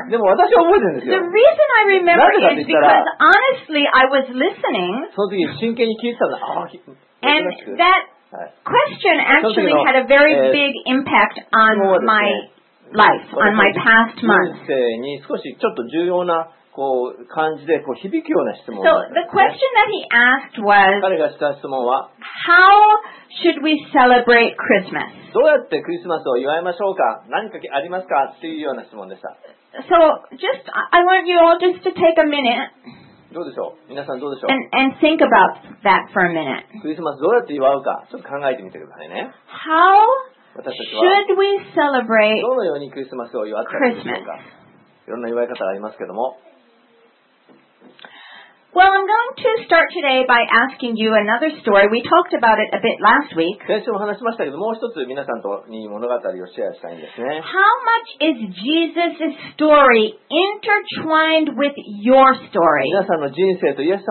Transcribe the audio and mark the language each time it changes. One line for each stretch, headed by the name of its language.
English: The reason I remember is because honestly I was listening and that question actually had a very big impact on my life, on my past months. So the question that he asked was, how should we celebrate Christmas?
Japanese: どうやってクリスマスを祝いましょうか何かありますかっていうような質問でした。
English: So, just, I want you all just to take a minute.
Japanese: どうでしょう皆さんどうでしょう
English: and think about that for a minute.
Japanese: クリスマスどうやって祝うかちょっと考えてみてくださいね。
English: How should we celebrate
Japanese: どのようにクリスマスを祝ったらいいでしょうかいろんな祝い方がありますけども。
English: Well, I'm going to start today by asking you another story. We talked about it a bit last week. How much is Jesus' story intertwined with your story?